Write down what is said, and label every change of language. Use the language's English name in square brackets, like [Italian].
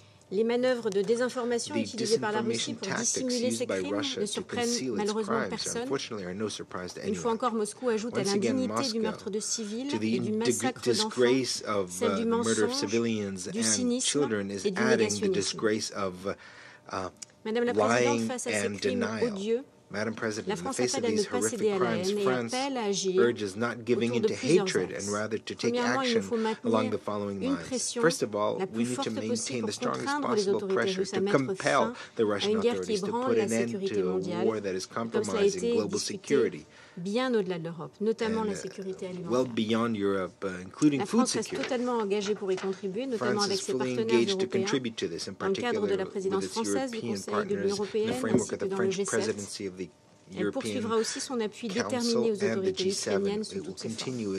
[French] Les manœuvres de désinformation utilisées par la Russie pour dissimuler ces crimes ne surprennent malheureusement personne. Une fois encore, Moscou ajoute à l'indignité du meurtre de civils et du massacre d'enfants, celle du mensonge, du cynisme et du négationnisme. Madame la Présidente, face à ces crimes odieux, [English] Madam President, in the face of these horrific crimes, France urges not giving into hatred and rather to take action along the following lines. First of all, we need to maintain the strongest possible pressure to compel the Russian authorities to put an end to a war that is compromising global security. [French] Bien au-delà de l'Europe, notamment la sécurité alimentaire. [English] Well beyond Europe, including food security. [French] La France reste totalement engagée pour y contribuer, notamment avec ses partenaires européens, dans le cadre de la présidence française du Conseil de l'Union européenne, ainsi que dans le G7. Elle poursuivra aussi son appui déterminé aux autorités ukrainiennes sous toutes ses formes.